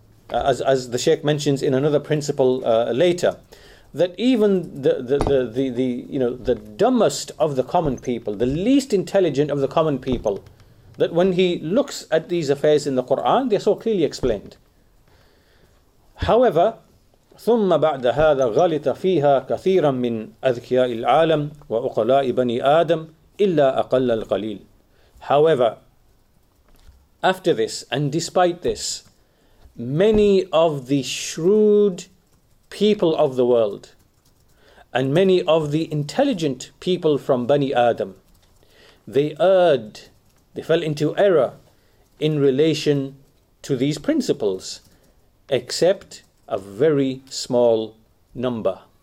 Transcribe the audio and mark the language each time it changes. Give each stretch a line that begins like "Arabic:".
English: as the Sheikh mentions in another principle later, that even the you know, the dumbest of the common people, the least intelligent of the common people, that when he looks at these affairs in the Quran, they're so clearly explained.
Arabic: However, ثُمَّ بَعْدَ هَذَا غَلِطَ فِيهَا كَثِيرًا مِّنْ أَذْكِيَاءِ الْعَالَمِ وَأُقَلَاءِ بَنِي آدَمِ إِلَّا أَقَلَّ الْقَلِيلِ.
English: However, after this, and despite this, many of the shrewd people of the world and many of the intelligent people from Bani Adam, they erred, they fell into error in relation to these principles, except a very small number.